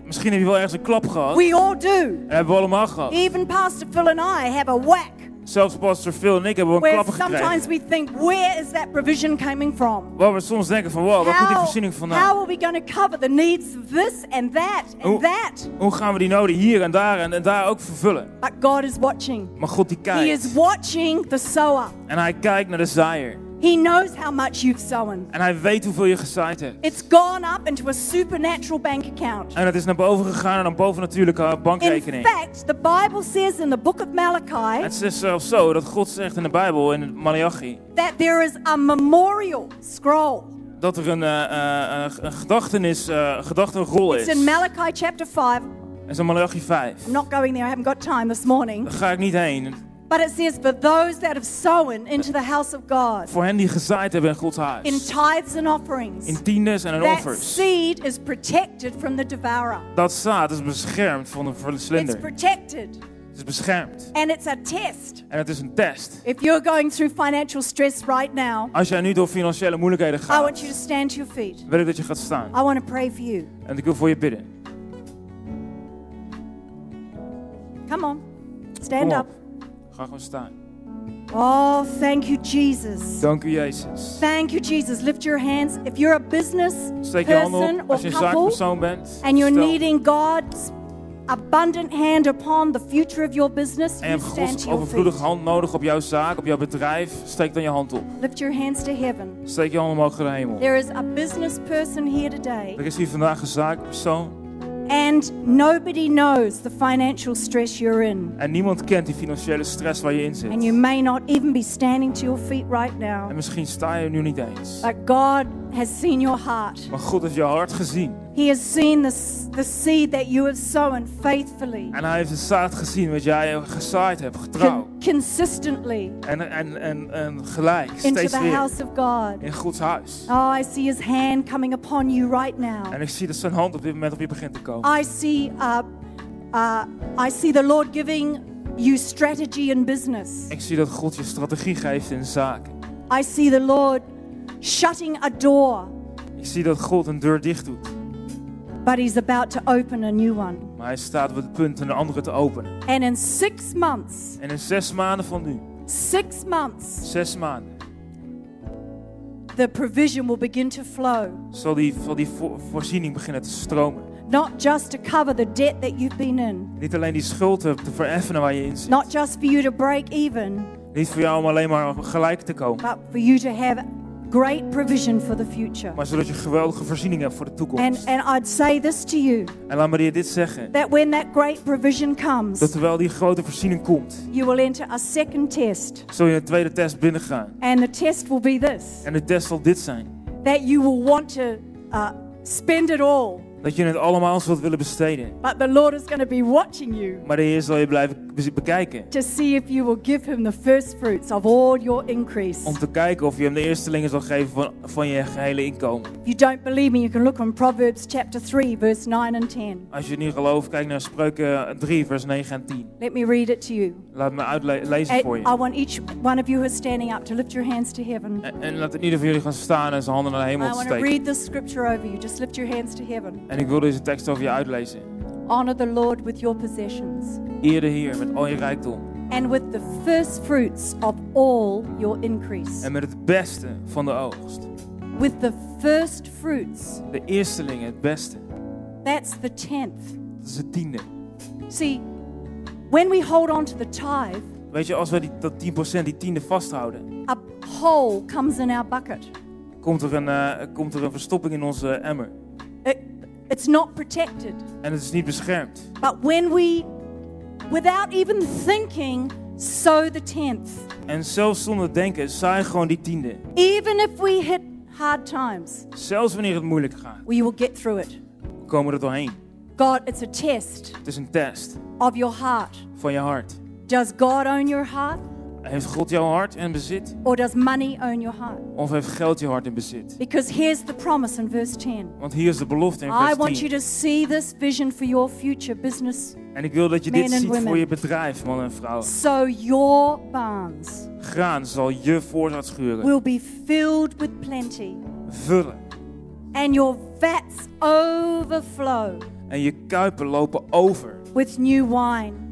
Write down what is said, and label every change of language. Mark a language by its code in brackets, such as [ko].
[nl] Misschien heb je wel ergens een klap gehad. [en] We all do. [nl] En hebben we allemaal gehad. [en] Even Pastor Phil and I have a whack. [nl] Zelfs Pastor Phil en ik hebben een klap gekregen. [en] Sometimes we think, where is that provision coming from? [nl] Waar we soms denken van, waar komt die voorziening vandaan? [en] How are we going to cover the needs of this and that and that? [nl] Hoe gaan we die noden hier en daar en daar ook vervullen? [en] But God is watching. [nl] Maar God die kijkt. [en] He is watching the sower. [nl] En hij kijkt naar de zaaier. [en] He knows how much you've sown. [nl] En hij weet hoeveel je gezaaid hebt. [en] It's gone up into a supernatural bank account. [nl] En het is naar boven gegaan in een bovennatuurlijke bankrekening. [en] In fact, the Bible says in the book of Malachi. [nl] Het is zelfs zo dat God zegt in de Bijbel in Malachi. [en] That there is a memorial scroll. [nl] Dat er een gedachtenrol is. [en] It's in Malachi chapter 5. [nl] Het is in Malachi 5. [en] I'm not going there. I haven't got time this morning. [nl] Daar ga ik niet heen. [en] But it says for those that have sown into the house of God. [nl] Voor hen die gezaaid hebben in Gods huis. [en] In tithes and offerings. [nl] In tiendes en in offers. [en] That seed is protected from the devourer. [nl] Dat zaad is beschermd van de slinder. [en] It's protected. [nl] Het is beschermd. [en] And it's a test. [nl] En het is een test. [en] If you're going through financial stress right now. [nl] Als jij nu door financiële moeilijkheden gaat. [en] I want you to stand to your feet. [nl] Wil ik dat je gaat staan. [en] I want to pray for you. [nl] En ik wil voor je bidden. [en] Come on. Stand up. [nl] Ga gewoon staan. [en] Oh, thank you, Jesus. [nl] Dank u, Jezus. [en] Thank you, Jesus. Lift your hands. If you're a business person or couple, and you're needing God's abundant hand upon the future of your business, you stand to your feet. [nl] En je hebt Gods overvloedige hand nodig op jouw zaak, op jouw bedrijf. Steek dan je hand op. [en] Lift your hands to heaven. [nl] Steek je handen omhoog naar de hemel. [en] There is a business person here today. [nl] Er is hier vandaag een zaakpersoon. [en] And nobody knows the financial stress you're in. [nl] En niemand kent die financiële stress waar je in zit. [en] And you may not even be standing to your feet right now. [nl] En misschien sta je nu niet eens. [en] But God has seen your heart. [nl] Maar God heeft jouw hart gezien. [en] He has seen the seed that you have sown faithfully. [nl] En hij heeft de zaad gezien wat jij gezaaid hebt, getrouw. [en] Consistently. [nl] En gelijk, [en] into [nl] steeds [en] the [nl] weer. [en] House of God. [nl] In Gods huis. [en] Oh, I see his hand coming upon you right now. [nl] En ik zie dat zijn hand op dit moment op je begint te komen. [en] I see the Lord giving you strategy in business. [nl] Ik zie dat God je strategie geeft in zaken. [en] I see the Lord shutting a door. [nl] Ik zie dat God een deur dicht doet. [en] But he's about to open a new one. [nl] Maar hij staat op het punt een andere te openen. [en] And in 6 months. [nl] En in 6 maanden van nu. [en] 6 months. [nl] 6 maanden. [en] The provision will begin to flow. [nl] Zal die voorziening beginnen te stromen. [en] Not just to cover the debt that you've been in. [nl] Niet alleen die schuld te vereffenen waar je in zit. [en] Not just for you to break even. [nl] Niet voor jou om alleen maar gelijk te komen. [en] But for you to have great provision for the future. [nl] Maar zodat je geweldige voorziening hebt voor de toekomst. [en] And I'd say this to you. [nl] En laat me je dit zeggen. [en] That when that great provision comes. [nl] Dat terwijl die grote voorziening komt. [en] You will enter a second test. [nl] Zul je een tweede test binnengaan. [en] And the test will be this. [nl] En de test zal dit zijn. [en] That you will want to spend it all. [nl] Dat je het allemaal zult willen besteden. [en] But the Lord is going to be watching you. [nl] Maar de Heer zal je blijven bekijken. [en] To see if you will give him the first fruits of all your increase. [nl] Om te kijken of je hem de eerstelingen zal geven van je gehele inkomen. [en] If you don't believe me, you can look on Proverbs chapter 3, verse 9 and 10. [nl] Als je niet gelooft, kijk naar Spreuken 3, vers 9 en 10. [en] Let me read it to you. [nl] Laat me uitlezen voor je. [en] I want each one of you who is standing up to lift your hands to heaven. [nl] En laat ieder van jullie gaan staan en zijn handen naar de hemel steken. [en] I want to read this scripture over you. Just lift your hands to heaven. [nl] En ik wil deze tekst over je uitlezen. [en] Honor the Lord with your possessions. [nl] Eer de Heer met al je rijkdom. [en] And with the first fruits of all your increase. [nl] En met het beste van de oogst. [en] With the first fruits. [nl] De eerstelingen, het beste. [en] That's the tenth. [nl] Dat is het tiende. [en] See, when we hold on to the tithe. [nl] Weet je, als we dat 10%, die tiende vasthouden. [en] A hole comes in our bucket. [nl] Komt er een verstopping in onze emmer. [en] It's not protected. [nl] En het is niet beschermd. [en] But when we, without even thinking, sow the tenth. [nl] En zelfs zonder denken, zaai gewoon die tiende. [en] Even if we hit hard times. [nl] Zelfs wanneer het moeilijk gaat. [en] We will get through it. [nl] We komen er doorheen. [en] God, it's a test. [nl] Het is een test. [en] Of your heart. [nl] Van je hart. [en] Does God own your heart? [nl] Heeft God jouw hart in bezit? [en] Or does money own your heart? [nl] Of heeft geld je hart in bezit? [en] Because here's the promise in verse 10. [nl] Want hier is de belofte in vers 10. [en] I want you to see this vision for your future business. [nl] En ik wil dat je dit ziet voor je bedrijf, man en vrouw. [en] So your barns. [nl] Graan zal je voorraad schuren. [en] Will be filled with plenty. [nl] Vullen. [en] And your vats overflow. [nl] En je kuipen lopen over. [en] With new wine.